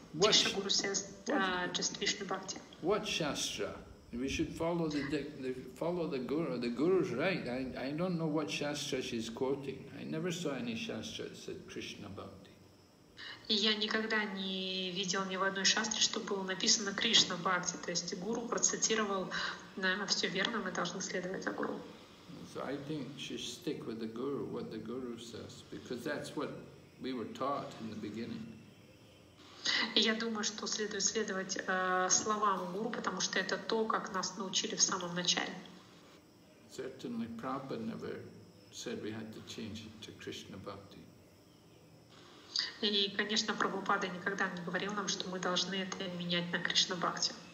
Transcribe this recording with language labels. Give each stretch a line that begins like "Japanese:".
English: What Diksha Guru says just Vishnu Bhakti. What Shastra? We should follow the Guru. The Guru's right. I don't know what Shastra she's quoting. I never saw any Shastra that said Krishna Bhakti.
Russian: Я никогда не видел ни в одной шастре, что было написано Кришна Бхакти. То есть гуру процитировал, наверное, все верно, мы должны следовать за гуру.
English: So I think she should stick with the guru, what the guru says, because that's what we were taught in the beginning.
Russian: Я думаю, что следует следовать словам гуру, потому что это то, как нас научили в самом начале.
English: Certainly Prabhupada never said we had to change it to Krishna Bhakti.
Russian: И, конечно, Прабхупада никогда не говорил нам, что мы должны это менять на Кришна Бхакти.